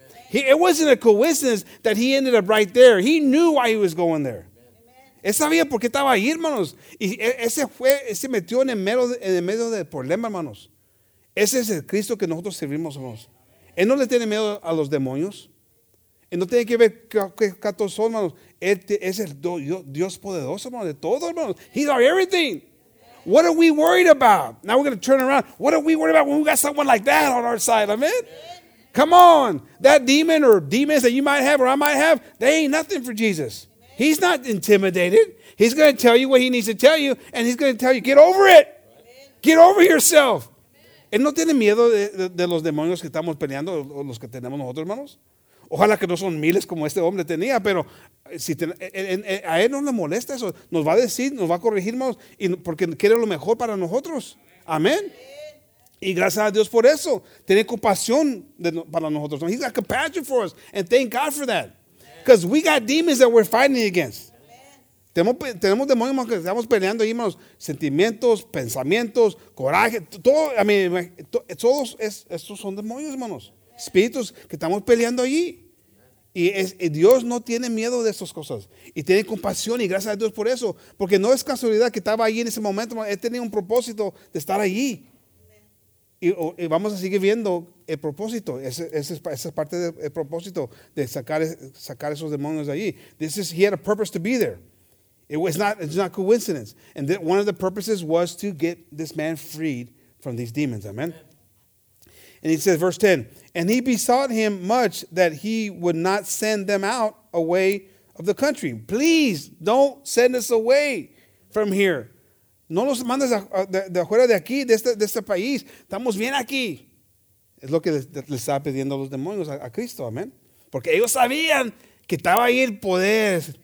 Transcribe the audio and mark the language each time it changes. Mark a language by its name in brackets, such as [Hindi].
[English] It wasn't a coincidence that he ended up right there. He knew why he was going there. [Spanish] Él sabía por qué estaba ahí, hermanos. Y ese metió en el medio del problema, hermanos. Ese es el Cristo que nosotros servimos, hermanos. Él no le tiene miedo a los demonios. Él no tiene que ver qué catos son, hermanos. Él es el Dios poderoso, hermanos, de todo, hermanos. [English] He's our everything. What are we worried about? Now we're going to turn around. What are we worried about when we got someone like that on our side? Amen? Come on. That demon or demons that you might have or I might have, they ain't nothing for Jesus. He's not intimidated. He's going to tell you what he needs to tell you, and he's going to tell you, get over it. Get over yourself. [Spanish] Él no tiene miedo de los demonios que estamos peleando, los que tenemos nosotros, hermanos. Ojalá que no son miles como este hombre tenía, pero si te, a él no le molesta eso. Nos va a decir, nos va a corregir, más, y porque quiere lo mejor para nosotros. Amén. Y gracias a Dios por eso. Tiene compasión de, para nosotros. [English] He's got compassion for us. And thank God for that. Because we got demons that we're fighting against. [Spanish] Tenemos demonios que estamos peleando ahí, hermanos. Sentimientos, pensamientos, coraje. Todo, [English] I mean, [Spanish] todos estos son demonios, hermanos. Espíritus que estamos peleando allí. Y Dios no tiene miedo de estas cosas. Y tiene compasión, y gracias a Dios por eso. Porque no es casualidad que estaba allí en ese momento. Él tenía un propósito de estar allí. Y vamos a seguir viendo el propósito. Esa es parte del propósito de sacar esos demonios de allí. [English] This is, he had a purpose to be there. It's not coincidence. And one of the purposes was to get this man freed from these demons. Amen. And he says, verse 10, and he besought him much that he would not send them out away of the country. Please don't send us away from here. [Spanish] No los mandes de afuera de aquí, de este país. Estamos bien aquí. Es lo que le estaba pidiendo a los demonios a Cristo. Amén. Porque ellos sabían que estaba ahí el poder.